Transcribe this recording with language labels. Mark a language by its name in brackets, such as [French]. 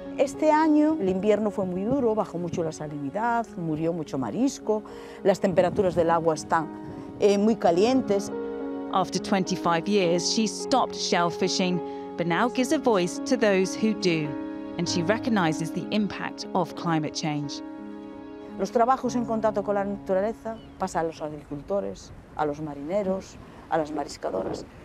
[Spanish] Este año el invierno fue muy duro, bajó mucho la salinidad, murió mucho marisco. Las temperaturas del agua están muy calientes. [English] After 25 years, she stopped shellfishing, but now gives a voice to those who do, and she recognizes the impact of climate change. [Spanish] Los trabajos en contacto con la naturaleza pasan a los agricultores, a los marineros, a las mariscadoras.